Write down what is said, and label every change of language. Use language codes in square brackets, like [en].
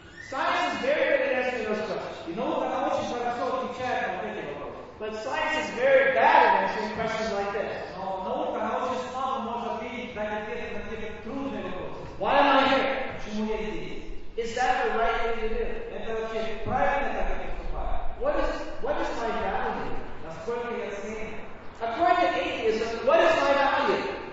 [en] Science is very good at answering those questions. You know what? [ru] Она очень хорошо отвечает на эти вопросы. [en] But science is very bad at answering questions like this. [ru] Но наука, она очень слабо может ответить на такие трудные вопросы. [en] Why am I here? [ru] Почему я здесь? [en] Is that the right thing to do? [ru] Это вообще правильно так и поступает. [en] What is my value? [ru] Насколько я ценен? [en] According to atheism, what is my value?